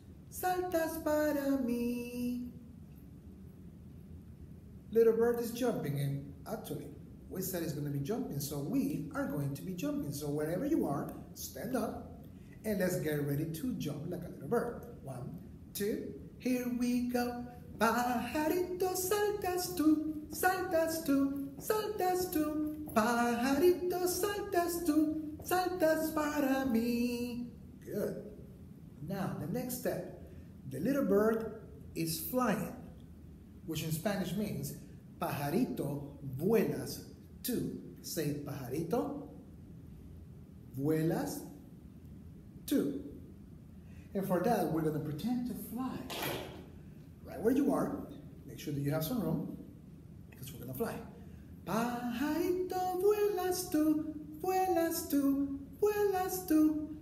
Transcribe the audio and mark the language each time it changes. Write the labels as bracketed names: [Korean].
[Spanish] Saltas para mí. [English] Little bird is jumping, and actually, we said it's going to be jumping, so we are going to be jumping. So wherever you are, stand up, and let's get ready to jump like a little bird. One, two, here we go. [Spanish] Pajarito saltas tú, saltas tú, saltas tú. Pajarito saltas tú, saltas para mí. [English] Good. Now, the next step. The little bird is flying, which in Spanish means [Spanish] pajarito vuelas tú. [English] Say [Spanish] pajarito vuelas tú. [English] And for that, we're going to pretend to fly right where you are. Make sure that you have some room because we're going to fly. [Spanish] Pajarito vuelas tú, vuelas tú, vuelas tú.